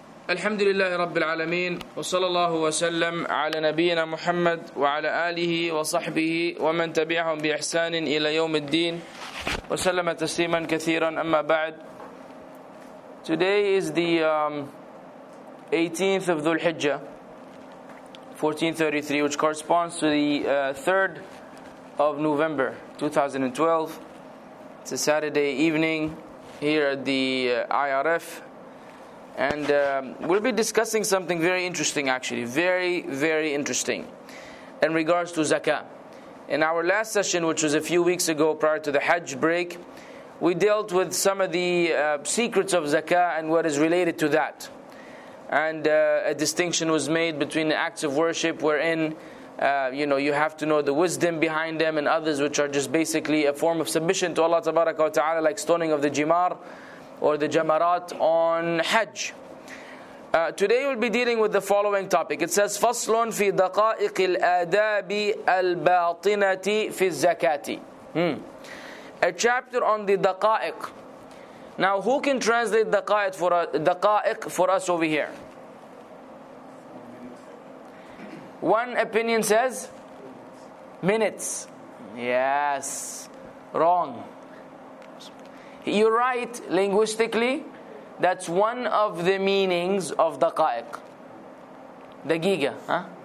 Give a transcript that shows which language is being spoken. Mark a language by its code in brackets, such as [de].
[ar] الحمد لله رب العالمين وصلى الله وسلم على نبينا محمد وعلى آله وصحبه ومن تبعهم بإحسان إلى يوم الدين وسلم تسليما كثيرا أما بعد. [en] Today is the 18th of Dhul Hijjah, 1433, which corresponds to the 3rd of November 2012. It's a Saturday evening here at the IRF. And we'll be discussing something very interesting, actually. Very, very interesting. In regards to zakah. In our last session, which was a few weeks ago prior to the Hajj break, we dealt with some of the secrets of zakah and what is related to that. And a distinction was made between the acts of worship wherein, you have to know the wisdom behind them and others which are just basically a form of submission to Allah tabaraka wa ta'ala, like stoning of the jimar or the jamarat on Hajj. Today we'll be dealing with the following topic. It says, [ar] فَصْلٌ فِي دَقَائِقِ الْآدَابِ الْبَاطِنَةِ فِي الزَّكَاتِ. [en] A chapter on the daqa'iq. Now, who can translate daqa'iq for us over here? One opinion says minutes. Yes, wrong. You're right, linguistically, that's one of the meanings of daqa'iq. Daqiqa, huh?